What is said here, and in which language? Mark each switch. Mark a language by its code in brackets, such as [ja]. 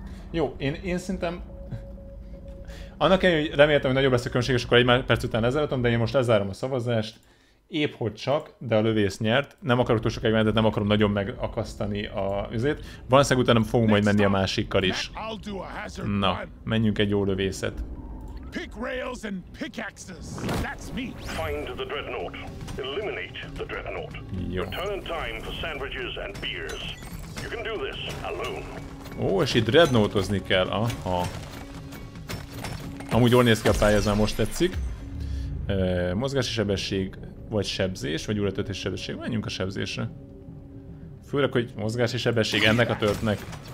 [hu] Jó, én szerintem... Annak ennyi, hogy reméltem, hogy nagyobb lesz a különbség, és akkor egy perc után lezáratom, de én most lezárom a szavazást. Épp hogy csak, de a lövész nyert. Nem akarok túl sokáig menni, de nem akarom nagyon megakasztani a üzét. Valószínűleg utána fogunk majd menni a másikkal is. Na, menjünk egy jó lövészet. [en] Pick rails and pickaxes. That's me. Find the dreadnought. Eliminate the dreadnought. Jó. Return in time for sandwiches and beers. You can do this alone. [hu] Ó, és itt dreadnoughtozni kell. Aha. Amúgy jól néz ki a pálya, ez már most tetszik. Mozgási sebesség, vagy sebzés, vagy újratöltés sebesség. Menjünk a sebzésre. Főleg, hogy mozgási sebesség ennek a törtnek.